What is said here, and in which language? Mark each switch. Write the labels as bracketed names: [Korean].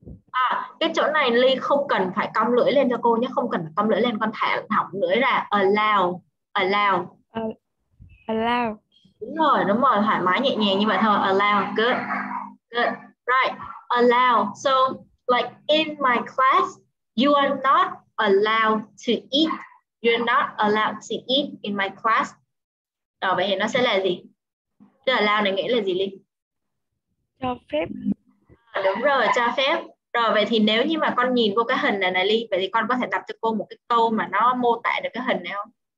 [Vietnamese] À, cái chỗ này Ly không cần phải cong lưỡi lên cho cô nhé, không cần cong lưỡi lên, con thả lỏng lưỡi ra. Allow. Đúng rồi, thoải mái nhẹ nhàng như vậy thôi. [English] Allow, good. Right, allow. So, like in my class, you are not allowed to eat. You're not allowed to eat in my class. [Vietnamese] Đó, vậy thì nó sẽ là gì? Cái allow này nghĩa là gì, Ly? Cho phép. Đúng rồi, cho phép. Rồi, vậy thì nếu như mà con nhìn vô cái hình này này, Ly, vậy thì con có thể đọc cho cô một cái câu mà nó mô tả được cái hình này không?